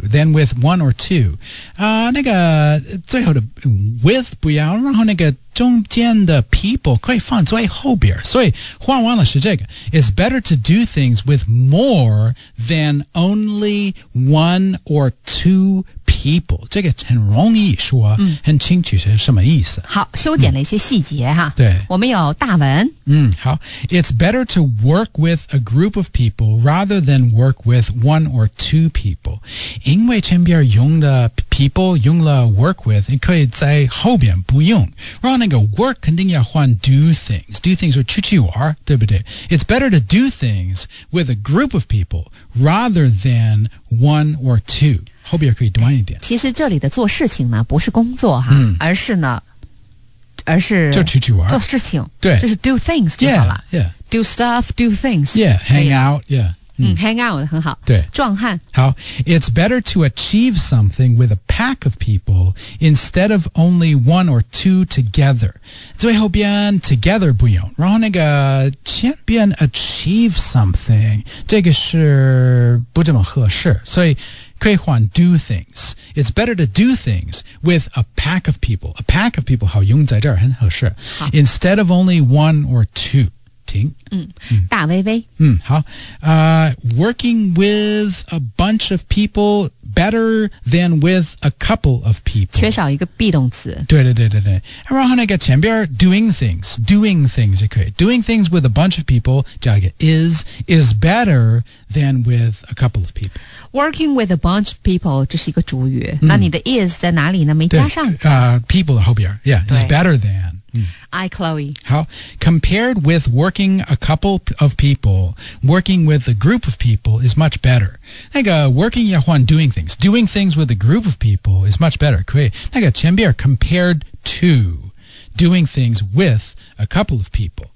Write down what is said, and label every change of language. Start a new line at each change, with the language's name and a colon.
English: Than with one or two.
Chinese: 那个最后的 with 不要，然后那个中间的 people 可以放最后边。所以换完了是这个。
English: It's better to do things with more than only one or two people.
Chinese: 这个很容易说，很清楚是什么意思。好，修剪了一些细节哈。对，我们有大文。
English: 好 ，It's better to work with a group of people rather than work with one or two people. 因为前边用的 people 用了 work with， 你可以在后边不用。
Chinese: 然后那个 work 肯定要换 do things， do things 是出去玩，对不对
English: ？It's better to do things with a group of people rather than one or two.
Chinese: 后边可以短一点。其实这里的做事情呢，不是工作哈，而是呢。而是就出去玩做事情，对，就是 do things 就好了
English: yeah, yeah. Do stuff, do things Yeah, hang out yeah,
Chinese: hang out 很好，对，壮汉。
English: 好 It's better to achieve something with a pack of people instead of only one or two together.
Chinese: 最后边 together 不用，然后那个前边 achieve something 这个是不怎么合适，所以可以换 do things.
English: It's better to do things with a pack of people. A pack of people
Chinese: 好用在这儿很合适
English: Instead of only one or two.
Chinese: 听。大微微。好。
English: Working with a bunch of people better than with a couple of people.
Chinese: 缺少一个 be 动词。对对对对对。然后那个前边 doing things. Doing things 也可以。
English: Doing things with a bunch of people,
Chinese: 加一个
English: is better than with a couple of people. Working with a bunch of people,
Chinese: 这是一个主语。那你的 is 在哪里呢？没加上。
English: People
Chinese: 的后边。
English: Yeah, it's better than. I, Chloe. 好 Compared with working a couple of people, working with a group of people is much better.
Chinese: 那个
English: working
Chinese: 要换
English: doing things. Doing things with a group of people is much better.
Chinese: 可以。那个前边
English: compared to doing things with a couple of people.